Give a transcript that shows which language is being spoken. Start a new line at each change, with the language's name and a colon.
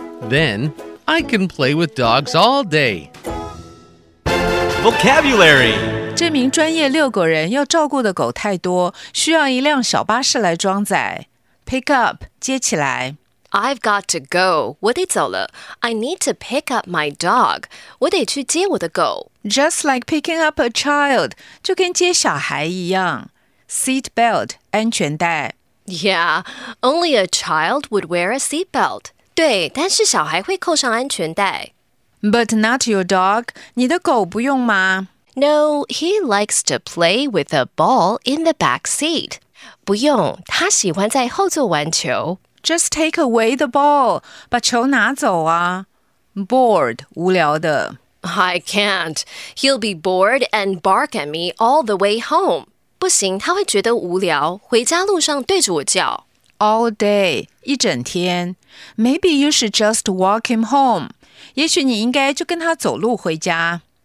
English: Then I can play with dogs all day. Vocabulary.
Chinese: 这名专业遛狗人要照顾的狗太多，需要一辆小巴士来装载。
English: Pick up,
Chinese: 接起来。
English: I've got to go.
Chinese: 我得走了。
English: I need to pick up my dog.
Chinese: 我得去接我的狗。
English: Just like picking up a child.
Chinese: 就跟接小孩一样。
English: Seat belt, 安全带。 Yeah, only a child would wear a seat belt.
Chinese: 对，但是小孩会扣上安全带。
English: But not your dog.
Chinese: 你的狗不用吗？
English: No, he likes to play with a ball in the back seat.
Chinese: 不用，他喜欢在后座玩球。
English: Just take away the ball.
Chinese: 把球拿走啊。
English: Bored, 无聊的。 I can't. He'll be bored and bark at me all the way home.
Chinese: 不行，他会觉得无聊，回家路上对着我叫。
English: All day, 一整天。Maybe you should just walk him home.
Chinese: 也许你应该就跟他走路回家。